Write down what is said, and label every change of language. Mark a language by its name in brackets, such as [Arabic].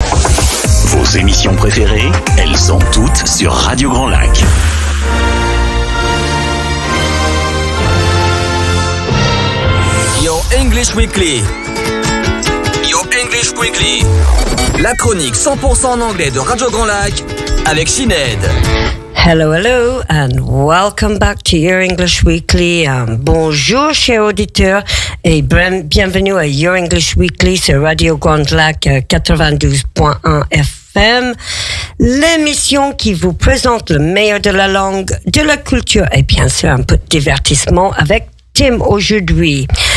[French] Vos émissions préférées, elles sont toutes sur Radio Grand Lac. [English] Your English Weekly. Your English Weekly. [French] La chronique 100% en anglais de Radio Grand Lac avec Sinead. [English] Hello, hello, and welcome back to Your English Weekly. [French] Bonjour, chers auditeurs, et bienvenue à Your English Weekly sur Radio Grand Lac 92.1 FM, l'émission qui vous présente le meilleur de la langue, de la culture et bien sûr un peu de divertissement avec Tim aujourd'hui.